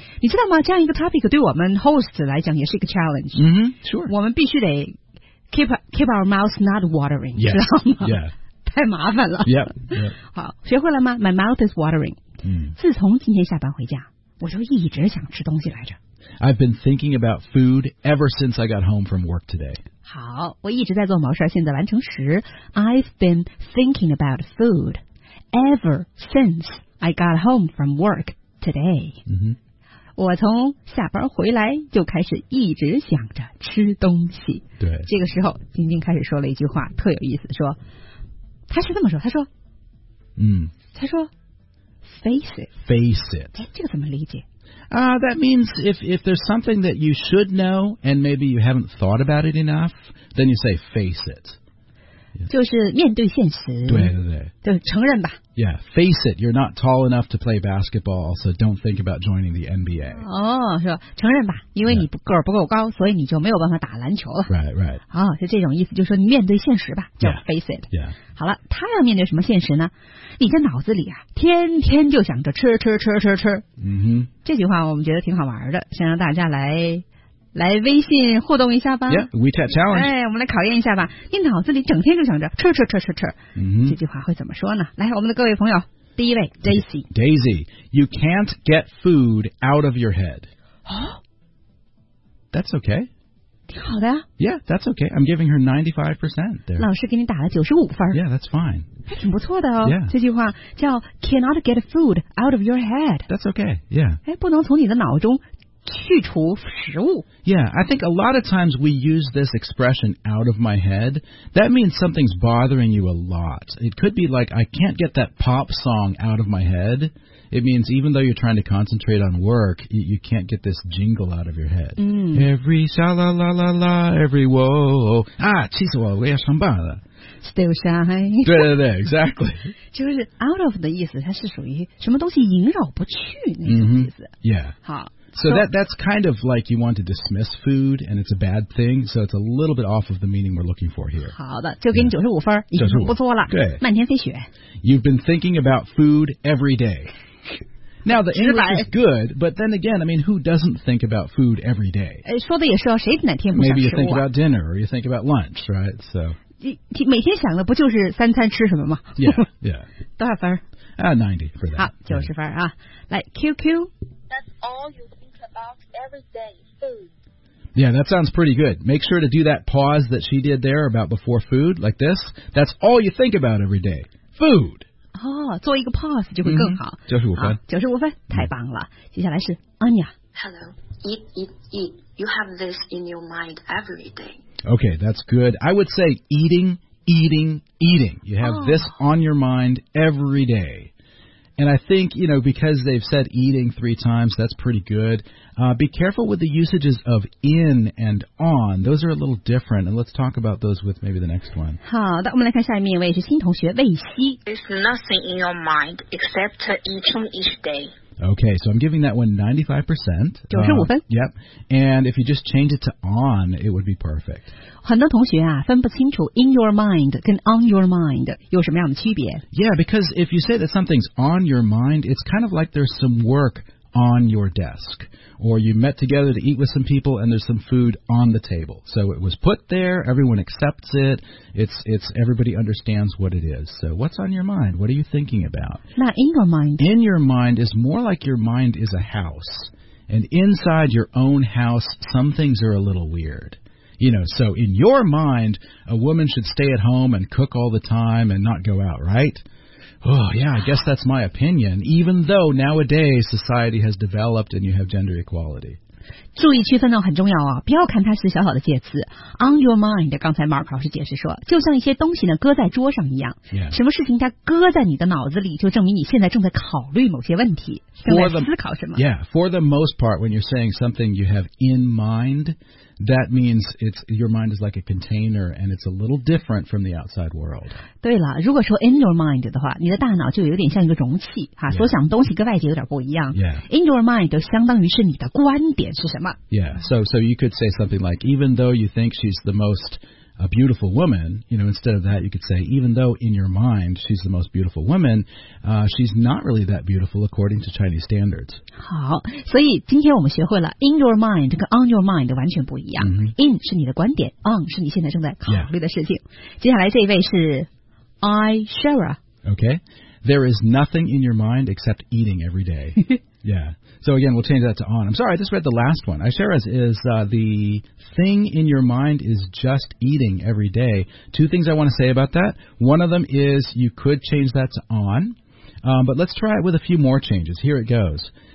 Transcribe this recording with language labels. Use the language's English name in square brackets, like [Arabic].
[Chinese] 你知道吗？这样一个 topic 对我们 host 来讲也是一个 challenge. [English] Mm-hmm. Sure. [Chinese] 我们必须得 [English] keep our mouths not watering. Yes. [Chinese] 知道吗 [English] yeah. [Chinese] 太麻烦了。 [English] Yeah. Yeah. [Chinese] 好，学会了吗 ？ [English] My mouth is watering. 嗯、mm.。 [Chinese] 自从今天下班回家，我就一直想吃东西来着。 [English] I've been thinking about food ever since I got home from work today. [Chinese] 好，我一直在做某事，现在完成时。 [English] I've been thinking about food ever since I got home from work today.、 Mm-hmm. [Chinese] 我从下班回来就开始一直想着吃东西。对，这个时候晶晶开始说了一句话，特有意思，说，他是这么说，他说，他说。 [English] Face it. [Chinese] 这个怎么理解？ [English] That means if there's something that you should know and maybe you haven't thought about it enough, then you say face it.、 [Chinese] Yeah. 就是面对现实。对对对。就承认吧。 [English] Yeah, face it. You're not tall enough to play basketball, so don't think about joining the NBA. [Chinese] 哦、oh, ，是吧？承认吧，因为你个儿不够高，所以你就没有办法打篮球了。 [English] Right, right. [Chinese] 哦、oh, ，是这种意思，就是说你面对现实吧，叫 face it. [English] Yeah. Yeah. [Chinese] 好了，他要面对什么现实呢？你在脑子里啊，天天就想着吃吃吃吃吃。嗯哼。这句话我们觉得挺好玩的，先让大家来微信互动一下吧。 [English] Yeah, WeChat challenge. [Chinese] 哎，我们来考验一下吧。你脑子里整天就想着吃吃吃吃吃。嗯哼。这句话会怎么说呢？来，我们的各位朋友，第一位 Daisy。 [English] Daisy, you can't get food out of your head. That's okay. [Chinese] 挺好的、 [English] 啊、Yeah, that's okay. I'm giving her 95% there. [Chinese] 老师给你打了95分。 [English] Yeah, that's fine. [Chinese] 还挺不错的哦。 [English] Yeah. [Chinese] 这句话叫 [English] cannot get food out of your head. That's okay, yeah. [Chinese] 哎，不能从你的脑中去除食物。 [English] Yeah, I think a lot of times we use this expression out of my head. That means something's bothering you a lot. It could be like, I can't get that pop song out of my head. It means even though you're trying to concentrate on work, you can't get this jingle out of your head.、 Mm. Every sha-la-la-la-la, every whoa. Ah, [Chinese] 气死我，我要上班了。 [English] Still shy. [Chinese] 对对对 exactly. 就是 out of 的意思，它是属于什么东西萦绕不去那种意思。 Mm-hmm. [English] Yeah. [Chinese] 好。 [English] So that's kind of like you want to dismiss food, and it's a bad thing. So it's a little bit off of the meaning we're looking for here. [Chinese] 好的，就给你95分，已经不错了。对，漫天飞雪。 [English] You've been thinking about food every day. Now the English is good, but then again, I mean, who doesn't think about food every day? [Chinese] 说的也是哦，谁哪天不想吃啊？ [English] Maybe you think about dinner or you think about lunch, right? So [Chinese] 每天想的不就是三餐吃什么吗？ [English] Yeah. [Chinese] 多少分？ [English] 90for that. [Chinese] 好，90分啊。来 ，QQ。 [English] That's all you think about every day, food. Yeah, that sounds pretty good. Make sure to do that pause that she did there about before food, like this. That's all you think about every day, food. [Chinese] 哦，做一个 pause 就会更好。 95分。 95分，太棒了。接下来是 Anya. [English] Hello, eat, eat, eat. You have this in your mind every day. Okay, that's good. I would say eating, eating, eating. You have this on your mind every day. And I think, you know, because they've said eating three times, that's pretty good. Be careful with the usages of in and on. Those are a little different. And let's talk about those with maybe the next one. [Chinese] 好的，我们来看下面一位是新同学魏西。 [English] There's nothing in your mind except eating each day. Okay, so I'm giving that one 95%. [Chinese] 95分。 [English] Yep. And if you just change it to on, it would be perfect. [Chinese] 很多同学啊，分不清楚 in your mind 跟 on your mind 有什么样的区别。 [English] Yeah, because if you say that something's on your mind, it's kind of like there's some work on your desk. Or you met together to eat with some people and there's some food on the table. So it was put there, everyone accepts it, it's everybody understands what it is. So what's on your mind? What are you thinking about? Not in your mind. In your mind is more like your mind is a house. And inside your own house, some things are a little weird. You know, so in your mind, a woman should stay at home and cook all the time and not go out, right? Oh, yeah, I guess that's my opinion, even though nowadays society has developed and you have gender equality. [Chinese] 注意区分呢很重要啊、哦、不要看它是小小的介词。 On your mind, 刚才 Mark 老师解释说就像一些东西呢搁在桌上一样。 [English] Yeah. [Chinese] 什么事情它搁在你的脑子里就证明你现在正在考虑某些问题。正在思考什么。 [English] Yeah, for the most part, when you're saying something you have in mind,That means it's your mind is like a container, and it's a little different from the outside world. [Chinese] 对了，如果说 in your mind 的话，你的大脑就有点像一个容器哈， [English] yeah. [Chinese] 所想的东西跟外界有点不一样。 [English] Yeah. [Chinese] In your mind 相当于是你的观点是什么？ [English] Yeah. So you could say something like, even though you think she's the most a beautiful woman, you know, instead of that, you could say, even though in your mind she's the most beautiful woman, she's not really that beautiful according to Chinese standards. [Chinese] 好，所以今天我们学会了 in your mind 跟 on your mind 完全不一样。 Mm-hmm. In 是你的观点 ，on 是你现在正在考虑的事情。 [English] Yeah. [Chinese] 接下来这一位是 I Shara. [English] Okay, there is nothing in your mind except eating every day. Yeah. So again, we'll change that to on. I'm sorry, I just read the last one. Aishara's is the thing in your mind is just eating every day. Two things I want to say about that. One of them is you could change that to on, but let's try it with a few more changes. Here it goes.